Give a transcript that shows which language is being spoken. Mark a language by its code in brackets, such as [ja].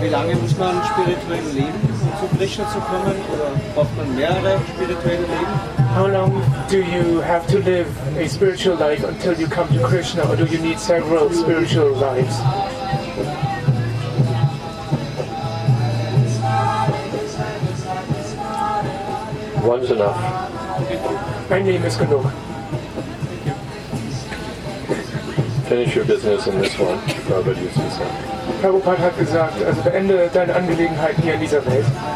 [de] Wie lange muss man spirituell leben, um zu Krishna zu kommen? Oder braucht man mehrere spirituelle Leben? [en] How long do you have to live a spiritual life until you come to Krishna, or do you need several spiritual lives? One's enough. My name is [de] Genug. [en] Finish your business in this one, Prabhupada used to say. [de] Prabhupada hat gesagt, also beende deine Angelegenheiten hier in dieser Welt.